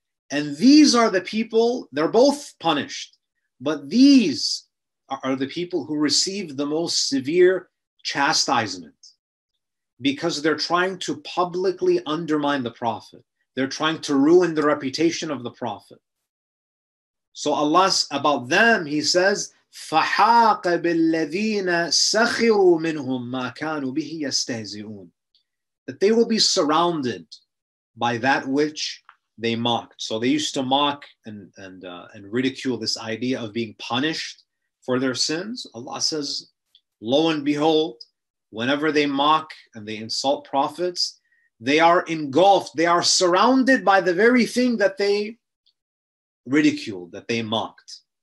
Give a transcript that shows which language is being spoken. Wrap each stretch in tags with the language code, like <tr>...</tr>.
<en>And these are the people, they're both punished, but these are the people who receive the most severe chastisement because they're trying to publicly undermine the Prophet. They're trying to ruin the reputation of the Prophet. So Allah, about them, He says,</en> <ar>فَحَاقَ بِالَّذِينَ سَخِرُوا مِنْهُمْ مَا كَانُوا بِهِ يَسْتَهْزِئُونَ.</ar> <en>That they will be surrounded by that which they mocked. So they used to mock and ridicule this idea of being punished for their sins. Allah says, lo and behold, whenever they mock and they insult prophets, they are engulfed, they are surrounded by the very thing that they ridiculed, that they mocked.</en>